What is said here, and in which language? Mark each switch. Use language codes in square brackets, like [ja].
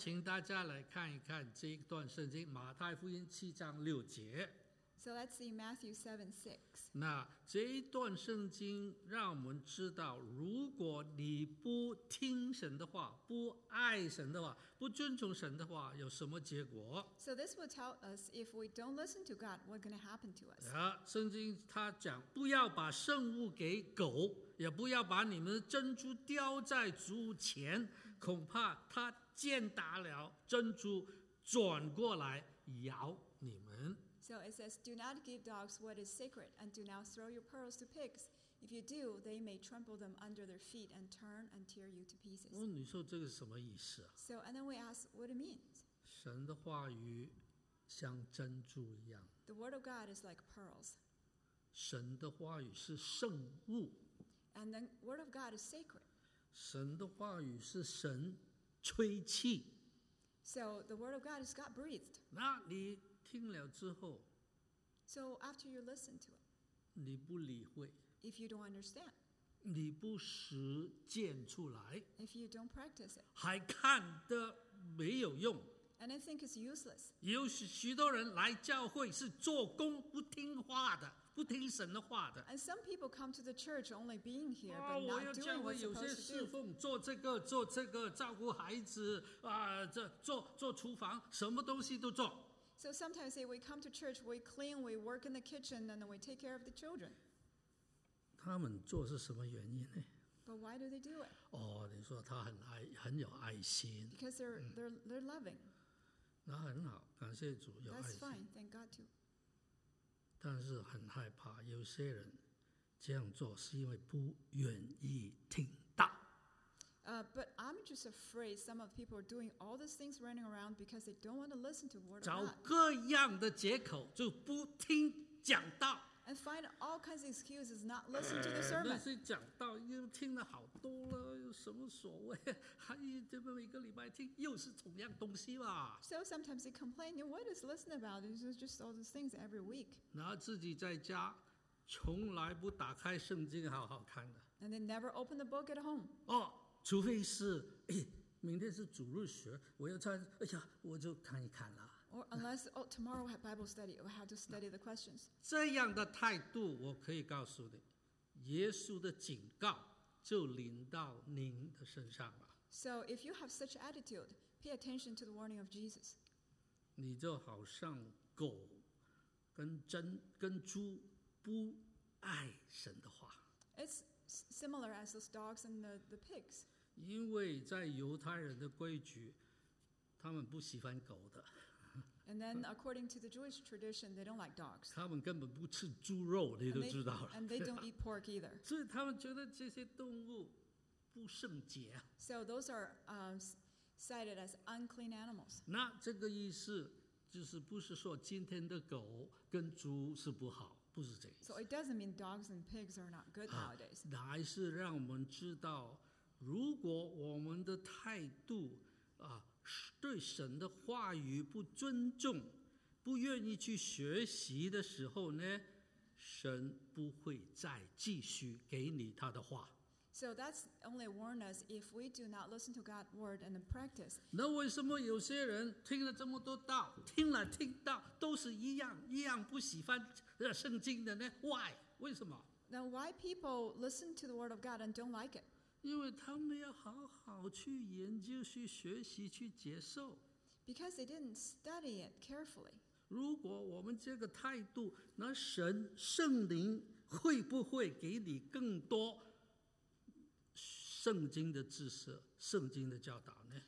[zh] 请大家来看一看这一段圣经，马太福音七章六节。 [en] So let's see Matthew 7:6. [zh] 那这一段圣经让我们知道，如果你不听神的话，不爱神的话，不遵从神的话，有什么结果？ [en] So this will tell us if we don't listen to God, what's going to happen to us? [zh] 圣经他讲，不要把圣物给狗，也不要把你们的珍珠丢在猪前，恐怕他践踏了珍珠，转过来咬你们。 [en] So it says, do not give dogs what is sacred, and do not throw your pearls to pigs. If you do, they may trample them under their feet and turn and tear you to pieces. [zh] 你说这个是什么意思啊？ [en] So and then we ask, what it means? [zh] 神的话语像珍珠一样。 [en] The word of God is like pearls. [zh] 神的话语是圣物。 [en] And the word of God is sacred. [zh] 神的话语是神吹气。 [en] So the word of God is God breathed. [zh] 那你听了之后， [en] so after you listen to it, [zh] 你不理会， [en] if you don't understand, [zh] 你不实践出来， [en] if you don't practice it, [zh] 还看得没有用， [en] and I think it's useless. [zh] 有许多人来教会是做工，不听话的，不听神的话的。 [en] And some people come to the church only being here, but not doing what they're supposed to do. [zh] 我要叫我有些侍奉，做这个，做这个，照顾孩子，这做厨房，什么东西都做。 [en] So sometimes we come to church, we clean, we work in the kitchen, and then we take care of the children. [zh] 他们做是什么原因呢？ [en] But why do they do it? [zh] 哦，你说他很有爱心。 [en] Because they're loving. [zh] 那很好，感谢主有爱心。 [en] That's fine. Thank God too. [zh] 但是很害怕，有些人这样做是因为不愿意听到。 [en] But I'm just afraid some of people are doing all these things running around because they don't want to listen to word. [zh] 找各样的借口就不听讲道。 [en] And find all kinds of excuses not listen to the sermon. [zh] 那些讲道又听了好多了，有什么所谓？还这么一个礼拜听，又是同样东西嘛。 [en] So sometimes they complain, "What is listening about? This is just all these things every week." [zh] 然后自己在家，从来不打开圣经好好看的。 [en] And they never open the book at home. [zh] 哦，除非是，明天是主日学，我要穿，哎呀，我就看一看了。 [en] Or unless, oh, tomorrow we have Bible study, we have to study the questions. [zh] 这样的态度，我可以告诉你，耶稣的警告就临到您的身上了。 [en] So if you have such attitude, pay attention to the warning of Jesus. [zh] 你就好像狗跟猪不爱神的话。 [en] It's similar as those dogs and the pigs. [zh] 因为在犹太人的规矩，他们不喜欢狗的。 [en] And then, according to the Jewish tradition, they don't like dogs. [zh] 他们根本不吃猪肉，你都知道了。 [en] And they don't eat pork either. [zh] 所以他们觉得这些动物不圣洁。 [en] So those are cited as unclean animals. [zh] 那这个意思就是不是说今天的狗跟猪是不好，不是这个意思。 [en] So it doesn't mean dogs and pigs are not good nowadays. [zh] 还是让我们知道，如果我们的态度啊。对神的话语不尊重，不愿意去学习的时候呢，神不会再继续给你他的话。 [en] So that's only warn us if we do not listen to God's word and practice. [zh] 那为什么有些人听了这么多道，听了听到都是一样不喜欢圣经的呢 ？ [en] Why？ [zh] 为什么 [en] ？Then why people listen to the word of God and don't like it？ [zh] 因为他们要好好去研究、去学习、去接受。 [en] Because they didn't study it carefully. [zh] 如果我们这个态度，那神圣灵会不会给你更多圣经的知识、圣经的教导呢